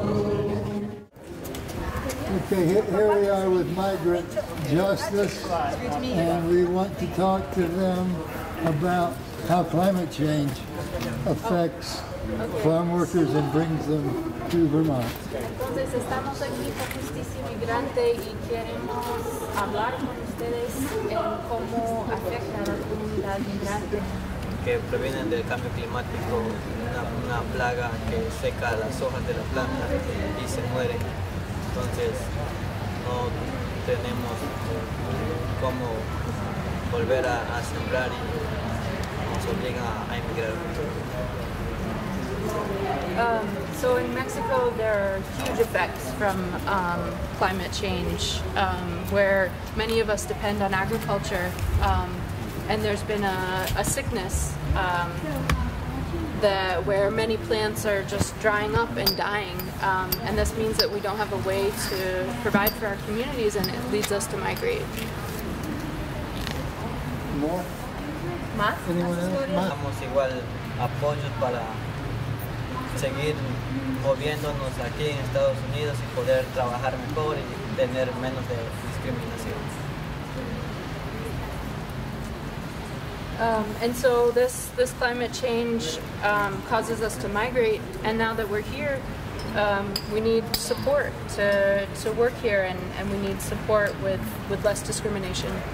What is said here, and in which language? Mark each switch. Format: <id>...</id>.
<en>Okay, here we are with Migrant Justice, and we want to talk to them about how climate change affects farm workers and brings them to Vermont.</en> <es>Entonces estamos aquí con Justicia Migrante y queremos hablar con ustedes en cómo afecta a la comunidad migrante. Que provienen del cambio climático, una plaga que seca las hojas de la planta y se muere. Entonces no tenemos cómo volver a sembrar y nos obliga a emigrar.</es> <en>So in Mexico, there are huge effects from climate change, where many of us depend on agriculture, and there's been a sickness where many plants are just drying up and dying, and this means that we don't have a way to provide for our communities, and it leads us to migrate.</en> <es>Seguir moviéndonos aquí en Estados Unidos y poder trabajar mejor y tener menos de discriminación.</es> <en>And so this climate change causes us to migrate, and now that we're here, we need support to work here, and we need support with less discrimination.</en>